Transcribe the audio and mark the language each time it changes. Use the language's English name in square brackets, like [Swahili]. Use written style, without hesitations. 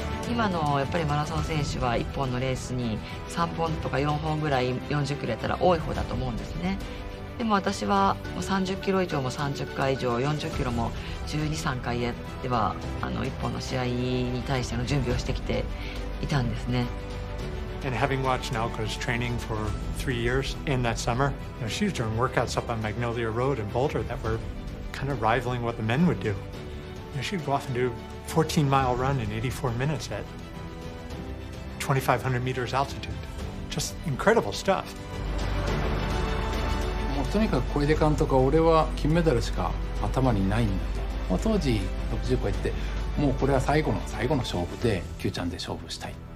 [Japanese] 今のやっぱりマラソン選手は1本のレースに3本とか4本ぐらい40キロやったら多い方だと思うんですね。でも私は30キロ以上も30回以上、40キロも12、3回やっては1本の試合に対しての準備をしてきていたんですね。 [English] And having watched Naoko's training for 3 years in that summer, you know, she was doing workouts up on Magnolia Road in Boulder that were kind of rivaling what the men would do. You know, she'd go off and do 14 mile run in 84 minutes at 2500 meters altitude. Just incredible stuff. [Japanese] とにかく小出監督は、俺は金メダルしか頭にないんだと、まあ、当時60超えてもうこれは最後の最後の勝負で Q ちゃんで勝負したい。